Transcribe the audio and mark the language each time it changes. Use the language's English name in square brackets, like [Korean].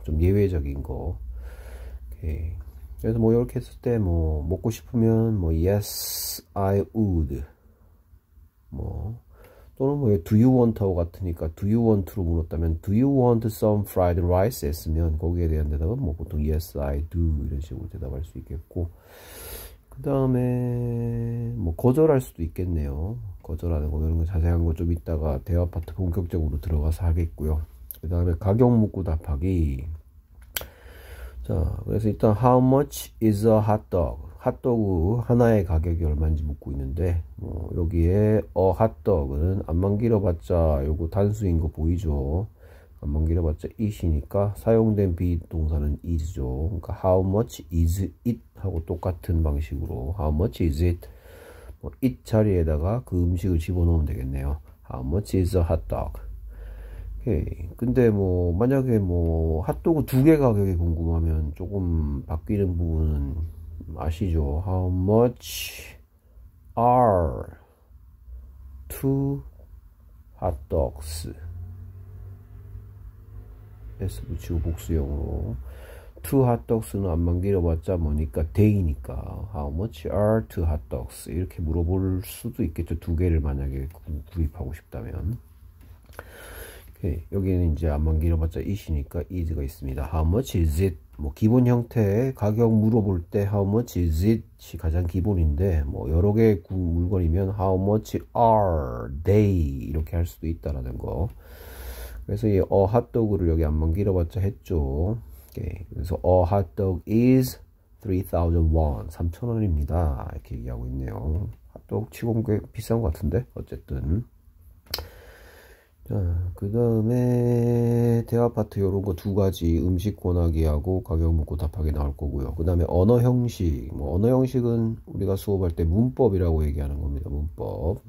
[Korean] 좀 예외적인 거. 오케이. 그래서 뭐 이렇게 했을 때뭐 먹고 싶으면 뭐 [English] yes I would [Korean] 뭐 또는 뭐 [English] do you want [Korean] 하고 같으니까 do you want로 물었다면 [English] do you want some fried rice [Korean] 했으면 거기에 대한 대답은 뭐 보통 [English] yes I do [Korean] 이런 식으로 대답할 수 있겠고 그 다음에 뭐 거절할 수도 있겠네요. 거절하는 거 이런 거 자세한 거좀 이따가 대화 파트 본격적으로 들어가서 하겠고요. 그 다음에 가격 묻고 답하기. 자, 그래서 일단 [English] How much is a hot dog? [Korean] 핫도그 하나의 가격이 얼마인지 묻고 있는데 뭐 여기에 a hot dog은 앞만 길어봤자 요거 단수인 거 보이죠? 앞만 길어봤자 is이니까 사용된 be 동사는 is죠. 그러니까 [English] How much is it? [Korean] 하고 똑같은 방식으로 [English] How much is it? [Korean] 뭐 it 자리에다가 그 음식을 집어넣으면 되겠네요. [English] How much is a hot dog? [Korean] 근데 뭐 만약에 뭐 핫도그 두개 가격이 궁금하면 조금 바뀌는 부분은 아시죠? [English] How much are two hotdogs? [Korean] S 붙이고 복수형으로 two hotdogs는 앞만 길어봤자 뭐니까 day니까 [English] How much are two hotdogs? [Korean] 이렇게 물어볼 수도 있겠죠. 두 개를 만약에 구입하고 싶다면. 여기는 이제 앞만 길어봤자 is니까 is가 있습니다. [English] How much is it? [Korean] 뭐 기본 형태의 가격 물어볼 때 [English] How much is it? [Korean] 이 가장 기본인데 뭐 여러 개의 물건이면 [English] How much are they? [Korean] 이렇게 할 수도 있다라는 거. 그래서 이 a hotdog를 여기 앞만 길어봤자 했죠. 오케이. 그래서 [English] a hotdog is 3,000 won. [Korean] 3,000원입니다. 이렇게 얘기하고 있네요. 핫도그 치곤 꽤 비싼 것 같은데 어쨌든. 자, 그 다음에 대화 파트 요런 거두 가지 음식 권하기하고 가격 묻고 답하기 나올 거고요. 그 다음에 언어 형식. 뭐 언어 형식은 우리가 수업할 때 문법이라고 얘기하는 겁니다. 문법.